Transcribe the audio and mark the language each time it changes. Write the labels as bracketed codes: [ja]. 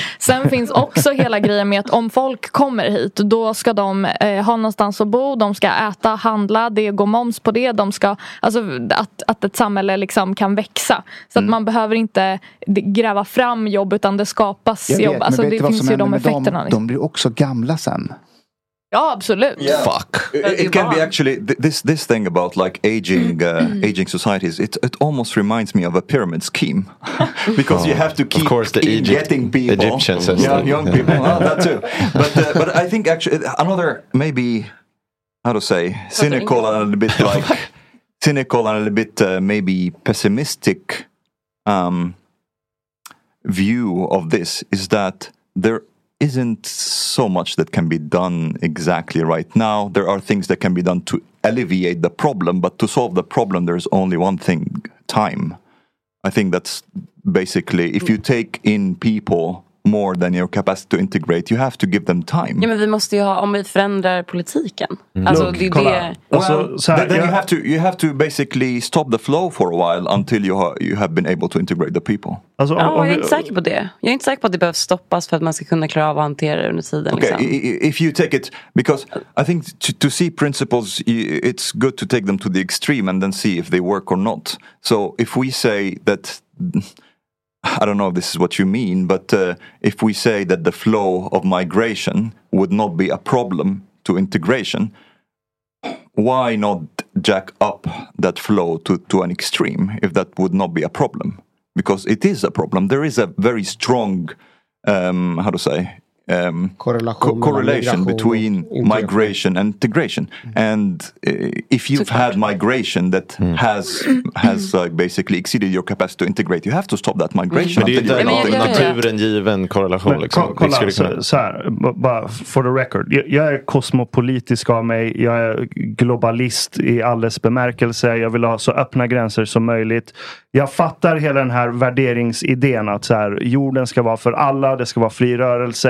[sv] Sen finns också hela grejen med att om folk kommer hit. Då ska de ha någonstans att bo. De ska äta, handla, det går moms på det. De ska, alltså att ett samhälle liksom kan växa. Så att man behöver inte gräva fram jobb utan det skapas jobb. Alltså det finns ju de effekterna. De blir också gamla sen. Ja, absolut. [en] Yeah. Fuck. It can be actually this thing about like aging aging societies. It almost reminds me of a pyramid scheme because you have to keep getting people. Egyptians, young people. Oh, that too. But I think actually another maybe. How to say, cynical and a bit like, cynical and a bit maybe pessimistic view of this is that there isn't so much that can be done exactly right now. There are things that can be done to alleviate the problem, but to solve the problem, there's only one thing, time. I think that's basically, if you take in people more than your capacity to integrate, you have to give them time. [sv] Ja, men vi måste ju ha, om vi förändrar politiken. Alltså, [en] you have to basically stop the flow for a while until you have been able to integrate the people. [sv] Alltså, jag är inte säker på det. Jag är inte säker på att det behöver stoppas för att man ska kunna klara av att hantera det under tiden. Okay, liksom. [en] If you take it, because I think to see principles, it's good to take them to the extreme and then see if they work or not. So if we say that... I don't know if this is what you mean, but if we say that the flow of migration would not be a problem to integration, why not jack up that flow to an extreme if that would not be a problem? Because it is a problem. There is a very strong, correlation between migration and integration. Mm-hmm. And if you've had migration that has basically exceeded your capacity to integrate, you have to stop that migration. Mm. [sv] Men det är naturen given korrelation. [en] Bara for the record. [sv] Jag är kosmopolitisk av mig. Jag är globalist i alldeles bemärkelse. Jag vill ha så öppna gränser som möjligt. Jag fattar hela den här värderingsidén att så här, jorden ska vara för alla, det ska vara fri rörelse.